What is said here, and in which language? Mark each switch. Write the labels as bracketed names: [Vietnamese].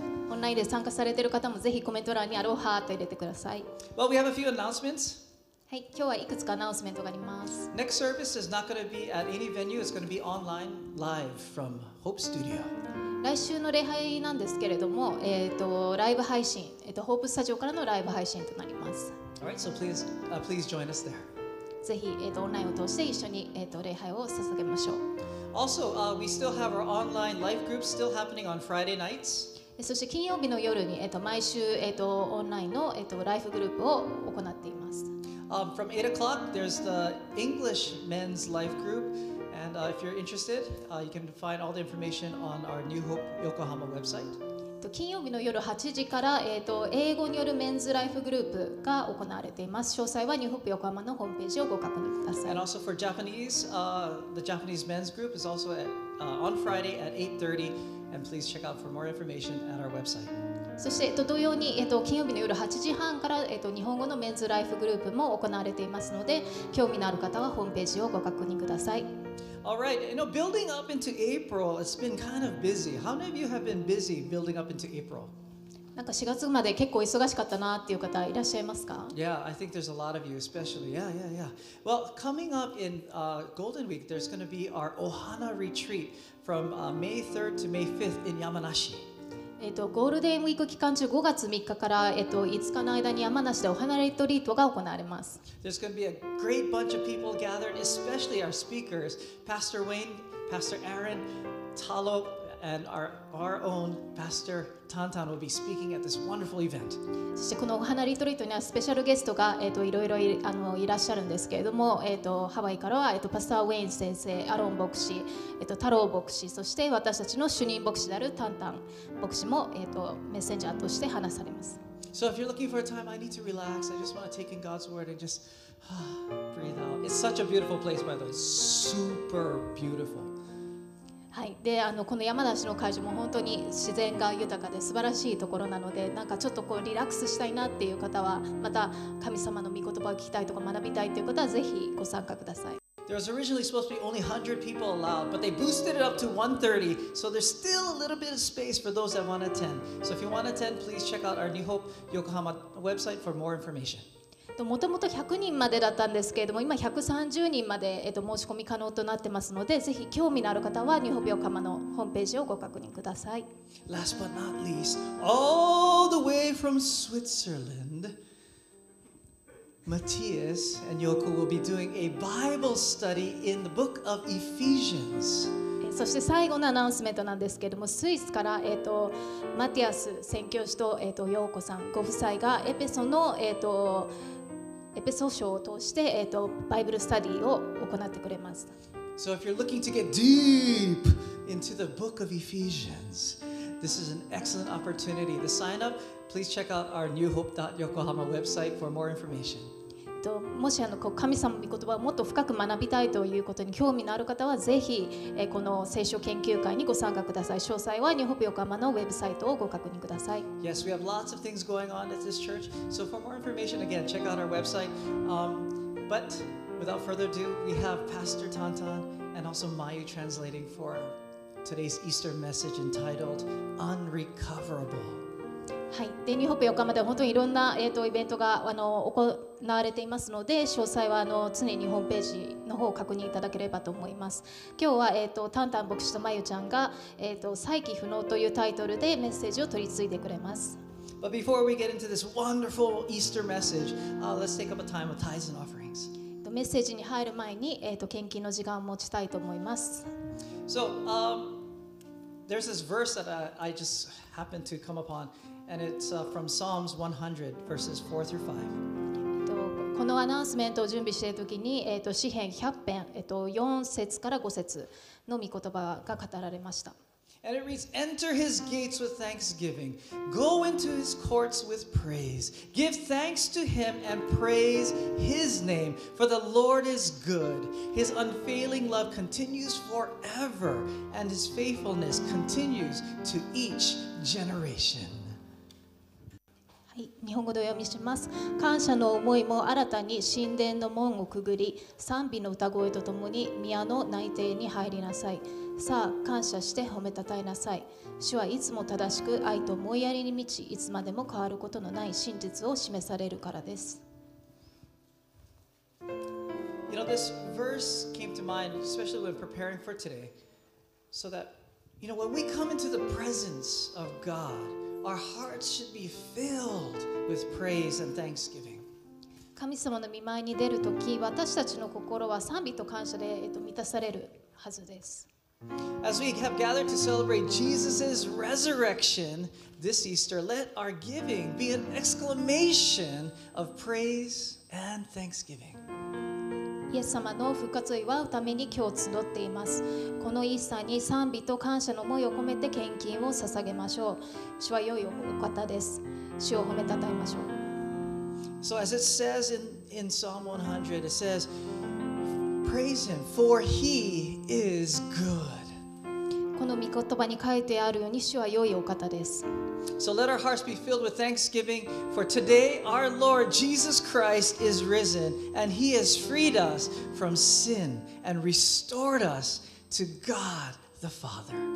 [Japanese] オンラインで参加されている方もぜひコメント欄にアロハと入れてください。 [English] Well, we have a few announcements. [Japanese] はい、今日はいくつかアナウンスメントがあります。 [English] Next service is not going to be at any venue. It's going to be online, live from Hope Studio. [Japanese] 来週の礼拝なんですけれども、ライブ配信、Hope Studio からのライブ配信となります。 [English] Alright, so please join us there. [Japanese] ぜひ、オンラインを通して一緒に、礼拝を捧げましょう。 [English] Also, we still have our online life group still happening on Friday nights. [Japanese] そして金曜日の夜に、毎週、オンラインの、ライフグループを行っています。 [English] From 8 o'clock, there's the English men's life group. And if you're interested, you can find all the information on our New Hope Yokohama website. [Japanese] 金曜日の夜8時から、英語によるメンズライフグループが行われています。詳細はニューホップ横浜のホームページをご確認ください。 [English] And also for Japanese, the Japanese men's group is also on Friday at 8:30. And please check out for more information at our website. [Japanese] そして同様に、金曜日の夜8時半から、日本語のメンズライフグループも行われていますので、興味のある方はホームページをご確認ください。 [English] All right, you know, building up into April, it's been kind of busy. How many of you have been busy building up into April? [Japanese] なんか4月まで結構忙しかったなっていう方いらっしゃいますか? [English] Yeah, I think there's a lot of you, especially. Yeah, yeah, yeah. Well, coming up in Golden Week, there's going to be our Ohana Retreat from May 3rd to May 5th in Yamanashi. [Japanese] ゴールデンウィーク期間中5月3日から、5日の間に山梨でお花レトリートが行われます。 [English] There's going to be a great bunch of people gathered, especially our speakers, Pastor Wayne, Pastor Aaron, Talo, and our own Pastor Tantan will be speaking at this wonderful event. [Japanese] そしてこのお花レトリートにはスペシャルゲストが、いろいろいらっしゃるんですけれども、ハワイからは、パスターウェイン先生、アロン牧師、太郎牧師、そして私たちの主任牧師であるタンタン牧師も、メッセンジャーとして話されます。 [English] So if you're looking for a time, I need to relax. I just want to take in God's word and just breathe out. It's such a beautiful place, by the way. Super beautiful. [Japanese] はい、でこの山梨の会場も本当に自然が豊かで素晴らしいところなので、なんかちょっとこうリラックスしたいなっていう方は、また神様の御言葉を聞きたいとか学びたいという方はぜひご参加ください。 [English] There was originally supposed to be only 100 people allowed, but they boosted it up to 130, so there's still a little bit of space for those that want to attend. So if you want to attend, please check out our New Hope Yokohama website for more information. [Japanese] もともと100人までだったんですけれども、今130人まで申し込み可能となってますので、ぜひ興味のある方はニューホピオカマのホームページをご確認ください。 [English] Last but not least, all the way from Switzerland, Matthias and Yoko will be doing a Bible study in the book of Ephesians. [Japanese] そして最後のアナウンスメントなんですけれども、スイスから、マティアス宣教師と、ヨーコさんご夫妻がエペソの、エペソ書を通して、バイブルスタディを行ってくれます。 [English] So if you're looking to get deep into the book of Ephesians, this is an excellent opportunity to sign up. Please check out our newhope.yokohama website for more information. [Japanese] もし神様の御言葉をもっと深く学びたいということに興味のある方はぜひこの聖書研究会にご参加ください。詳細はニューホープ横浜のウェブサイトをご確認ください。 [English] Yes, we have lots of things going on at this church. So for more information, again, check out our website. But without further ado, we have Pastor Tantan and also Mayu translating for today's Easter message entitled Unrecoverable. [Japanese] はい、でニューホープ横浜では本当にいろんな、イベントが行われていますので、詳細は常にホームページの方を確認いただければと思います。今日は、タンタン牧師とマユちゃんが、再起不能というタイトルでメッセージを取り継いでくれます。 [English] But before we get into this wonderful Easter message, let's take up a time of tithes and offerings. [Japanese] メッセージに入る前に、献金の時間を持ちたいと思います。 [English] So, there's this verse that I just happened to come uponAnd it's from Psalms 100, verses 4 through 5. [Japanese] このアナウンスメントを準備しているときに、詩篇100編、4節から5節の御言葉が語られました。 [English] And it reads, Enter his gates with thanksgiving. Go into his courts with praise. Give thanks to him and praise his name. For the Lord is good. His unfailing love continues forever. And his faithfulness continues to each generation. [Japanese] 日本語で読みします。感謝の思いも新たに神殿の門をくぐり、賛美の歌声とともに宮の内庭に入りなさい。さあ感謝して褒めたたえなさい。主はいつも正しく愛と思いやりに満ち、いつまでも変わることのない真実を示されるからです。 [English] You know, this verse came to mind, especially when preparing for today, so that, you know, when we come into the presence of GodOur hearts should be filled with praise and thanksgiving. [Japanese] 神様の御前に出るとき、私たちの心は賛美と感謝で満たされるはずです。 [English] As we have gathered to celebrate Jesus's resurrection this Easter, let our giving be an exclamation of praise and thanksgiving. [Japanese] イエス様の復活を祝うために今日集っています。このイースターに賛美と感謝の思いを込めて献金を捧げましょう。主は良いお方です。主を褒めたたえましょう。 [English] So as it says in Psalm 100, it says, Praise him, for he is good. [Japanese] この御言葉に書いてあるように主は良いお方です。 [English] So let our hearts be filled with thanksgiving, for today our Lord Jesus Christ is risen, and he has freed us from sin and restored us to God the Father.